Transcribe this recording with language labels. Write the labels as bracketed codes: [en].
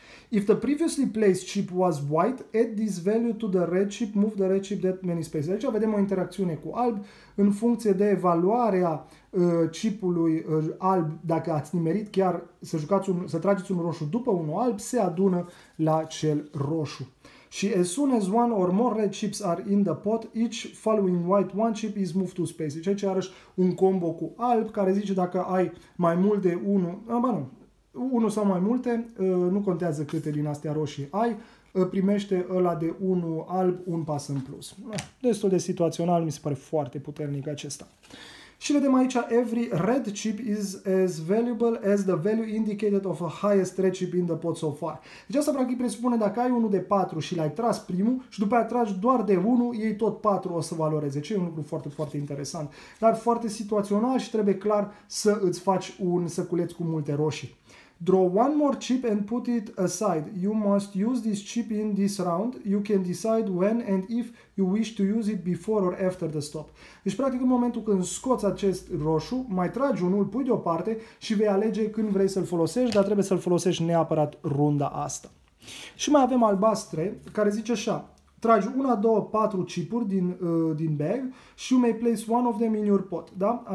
[en] If the previously placed chip was white, add this value to the red chip, move the red chip that many spaces. [ro] Aici vedem o interacțiune cu alb în funcție de valoarea chipului alb. Dacă ați nimerit chiar să jucați un, să trageți un roșu după unul alb, se adună la cel roșu. Și [en] as soon as one or more red chips are in the pot, each following white one chip is moved to space. [ro] Deci aici iarăși un combo cu alb care zice dacă ai mai mult de unul, ah, ba nu, unul sau mai multe, nu contează câte din astea roșii ai, primește ăla de unul alb un pas în plus. Destul de situațional, mi se pare foarte puternic acesta. Și vedem aici, [en] every red chip is as valuable as the value indicated of a highest red chip in the pot so far. [ro] Deci asta practic presupune dacă ai unul de 4 și l-ai tras primul și după aia tragi doar de 1, ei tot 4 o să valoreze. Ce e un lucru foarte, foarte interesant. Dar foarte situațional și trebuie clar să îți faci un săculeț cu multe roșii. [en] Draw one more chip and put it aside. You must use this chip in this round. You can decide when and if you wish to use it before or after the stop. [ro] Deci, practic, în momentul când scoți acest roșu, mai tragi unul, pui deoparte și vei alege când vrei să-l folosești, dar trebuie să-l folosești neapărat runda asta. Și mai avem albastre, care zice așa. Tragi una, două, patru chipuri din, din bag și [en] you may place one of them in your pot. [ro] Da?